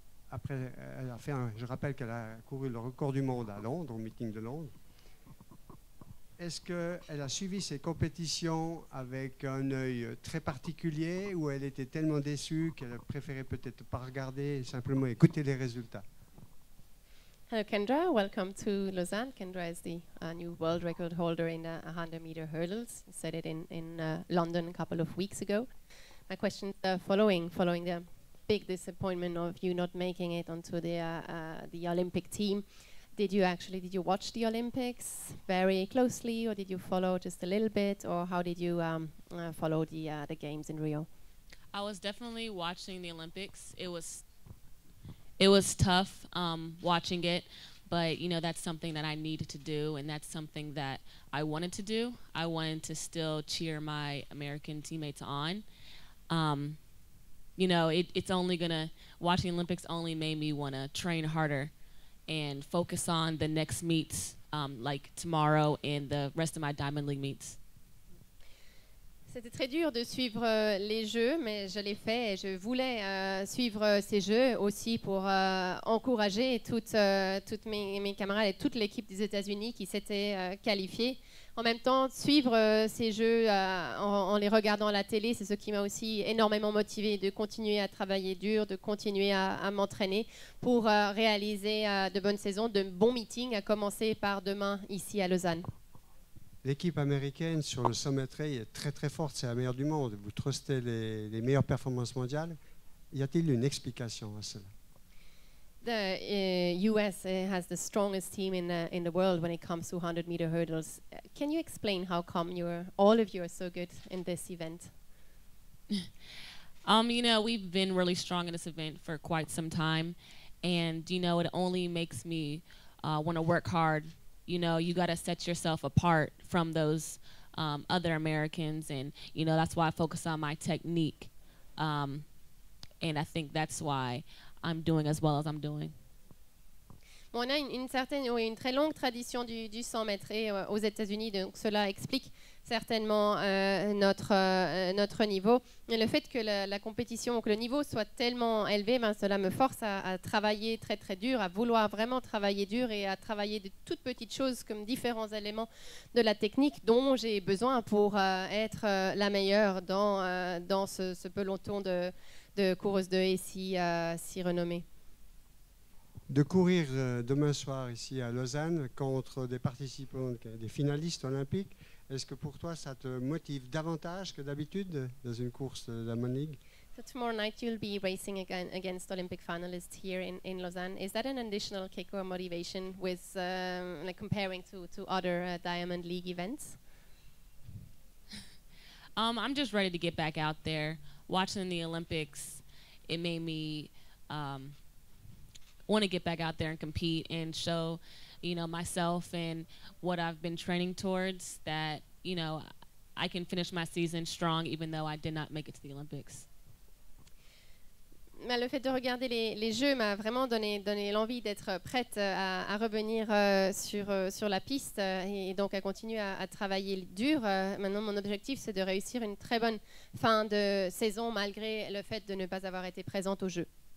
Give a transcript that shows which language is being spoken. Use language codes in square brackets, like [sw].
[fr] Après, elle a fait un, je rappelle qu'elle a couru le record du monde à Londres, au meeting de Londres. Est-ce qu'elle a suivi ses compétitions avec un œil très particulier ou elle était tellement déçue qu'elle préférait peut-être pas regarder et simplement écouter les résultats? [en] Hello, Kendra. Welcome to Lausanne. Kendra is the new world record holder in the 100-meter hurdles. You said it in London a couple of weeks ago. My question is the following. Following the big disappointment of you not making it onto the Olympic team, did you watch the Olympics very closely, or did you follow just a little bit, or how did you follow the games in Rio? I was definitely watching the Olympics. It was tough watching it, but you know, that's something that I needed to do, and that's something that I wanted to do. I wanted to still cheer my American teammates on. You know, it's only gonna, watching Olympics only made me wanna train harder and focus on the next meets, like tomorrow and the rest of my Diamond League meets. [fr] C'était très dur de suivre les Jeux, mais je l'ai fait et je voulais suivre ces Jeux aussi pour encourager toutes mes camarades et toute l'équipe des États-Unis qui s'étaient qualifiées. En même temps, suivre ces Jeux en les regardant à la télé, c'est ce qui m'a aussi énormément motivée de continuer à travailler dur, de continuer à m'entraîner pour réaliser de bonnes saisons, de bons meetings, à commencer par demain ici à Lausanne. L'équipe américaine sur le sommet trail est très très forte, c'est la meilleure du monde. Vous trustez les meilleures performances mondiales. Y a-t-il une explication à cela? [en] The US has the strongest team in the world when it comes to 100 meter hurdles. Can you explain how come all of you are so good in this event? You know, we've been really strong in this event for quite some time, and you know, it only makes me want to work hard. You know, you got to set yourself apart from those other Americans. And, you know, that's why I focus on my technique. And I think that's why I'm doing as well as I'm doing. [fr] Bon, on a une très longue tradition du 100 mètres aux États-Unis, donc cela explique certainement notre niveau. Et le fait que la compétition, que le niveau soit tellement élevé, ben, cela me force à travailler très très dur, à vouloir vraiment travailler dur et à travailler de toutes petites choses comme différents éléments de la technique dont j'ai besoin pour être la meilleure dans ce peloton de coureuses de haies si renommées. De courir demain soir ici à Lausanne contre des participants, des finalistes olympiques, est-ce que pour toi ça te motive davantage que d'habitude dans une course de la Diamond League? [en] So tomorrow night you'll be racing against Olympic finalists here in Lausanne. Is that an additional kick or motivation with like comparing to other Diamond League events? I'm just ready to get back out there. Watching the Olympics, it made me want to get back out there and compete and show, you know, myself and what I've been training towards, that, you know, I can finish my season strong even though I did not make it to the Olympics. [fr] Mais le fait de regarder les Jeux m'a vraiment donné l'envie d'être prête à revenir sur la piste et donc à continuer à travailler dur. Maintenant, mon objectif, c'est de réussir une très bonne fin de saison malgré le fait de ne pas avoir été présente aux Jeux.